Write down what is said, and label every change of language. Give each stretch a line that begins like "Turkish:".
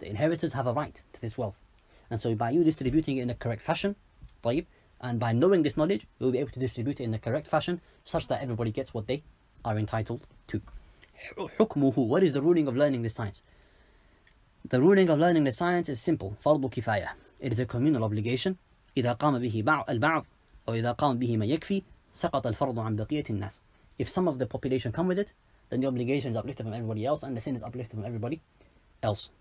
English: The inheritors have a right to this wealth. And so by you distributing it in the correct fashion, طيب, and by knowing this knowledge, you will be able to distribute it in the correct fashion such that everybody gets what they are entitled to. حكمه, what is the ruling of learning this science? The ruling of learning the science is simple.
Arabic: فرض كفاية.
English: It is a communal obligation.
Arabic: إذا قام به البعض أو إذا قام به من يكفي سقط الفرض عن بقية الناس.
English: If some of the population come with it, then the obligation is uplifted from everybody else, and the sin is uplifted from everybody else.